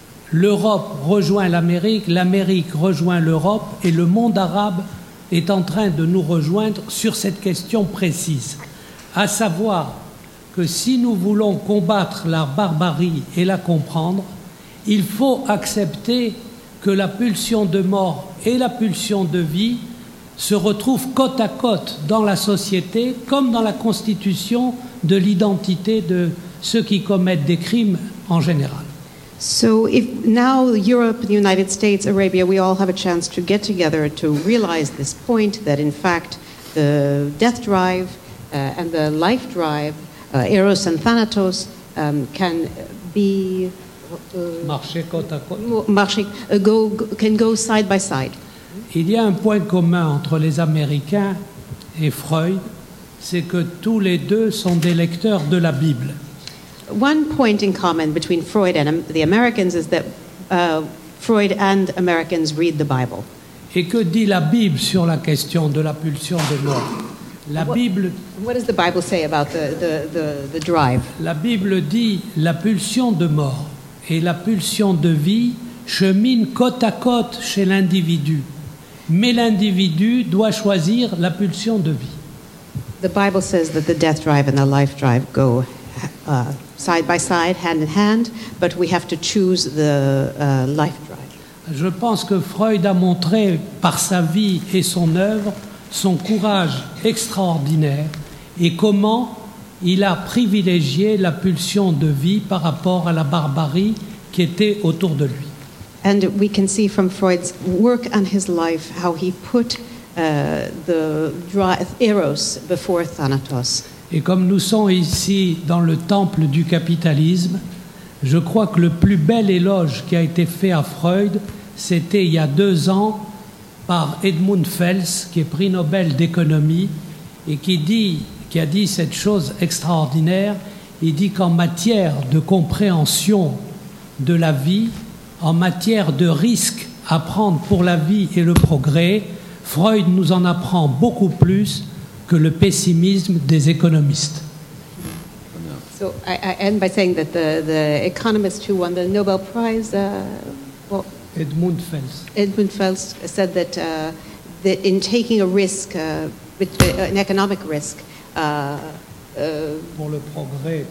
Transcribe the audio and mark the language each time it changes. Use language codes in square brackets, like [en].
[fr] L'Europe rejoint l'Amérique, l'Amérique rejoint l'Europe, et le monde arabe est en train de nous rejoindre sur cette question précise, à savoir que si nous voulons combattre la barbarie et la comprendre, il faut accepter que la pulsion de mort et la pulsion de vie se retrouvent côte à côte dans la société, comme dans la constitution de l'identité de ceux qui commettent des crimes en général. [en] So if now Europe, the United States, Arabia, we all have a chance to get together to realize this point that in fact the death drive and the life drive, Eros and Thanatos, can be... [fr] marcher côte à côte. [en] Can go side by side. [fr] Il y a un point commun entre les Américains et Freud, c'est que tous les deux sont des lecteurs de la Bible. [en] One point in common between Freud and the Americans is that Freud and Americans read the Bible. [fr] Et que dit la Bible sur la question de la pulsion de mort? La Bible. [en] What does the Bible say about the drive? [fr] La Bible dit la pulsion de mort et la pulsion de vie chemine côte à côte chez l'individu. Mais l'individu doit choisir la pulsion de vie. [en] The Bible says that the death drive and the life drive go side by side, hand in hand, but we have to choose the life drive. [fr] Je pense que Freud a montré par sa vie et son œuvre son courage extraordinaire et comment il a privilégié la pulsion de vie par rapport à la barbarie qui était autour de lui. [en] And we can see from Freud's work and his life how he put Eros before Thanatos. [fr] Et comme nous sommes ici dans le temple du capitalisme, je crois que le plus bel éloge qui a été fait à Freud, c'était il y a 2 ans par Edmund Fels, qui est prix Nobel d'économie, et qui a dit cette chose extraordinaire. Il dit qu'en matière de compréhension de la vie, en matière de risque à prendre pour la vie et le progrès, Freud nous en apprend beaucoup plus que le pessimisme des économistes. [en] So I end by saying that the economist who won the Nobel Prize, Edmund Fels. Edmund Fels said that that in taking a risk, an economic risk, [fr] pour le progrès,